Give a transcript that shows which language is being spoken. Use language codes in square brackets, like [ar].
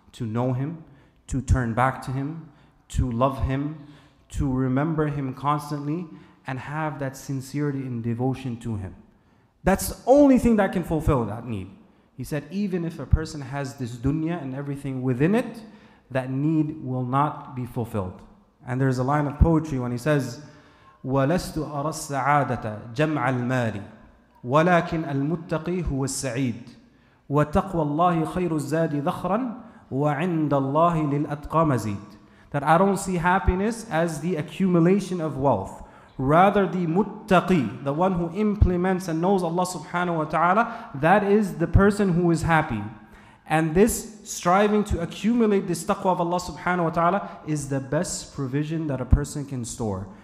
[en] To know Him, to turn back to Him, to love Him, to remember Him constantly, and have that sincerity and devotion to Him. That's the only thing that can fulfill that need. He said, even if a person has this dunya and everything within it, that need will not be fulfilled. And there's a line of poetry when he says, [ar] وَلَسْتُ أَرَى السَّعَادَةَ جَمْعَ الْمَالِ وَلَكِنْ الْمُتَّقِي هُوَ السَّعِيدُ وَتَقْوَى اللَّهِ خَيْرُ الزَّادِ ذَخْرًا وَعِنْدَ اللَّهِ لِلْأَتْقَى مَزِيدُ. [en] That I don't see happiness as the accumulation of wealth. Rather, the muttaqi, the one who implements and knows Allah subhanahu wa ta'ala, that is the person who is happy. And this striving to accumulate this taqwa of Allah subhanahu wa ta'ala is the best provision that a person can store.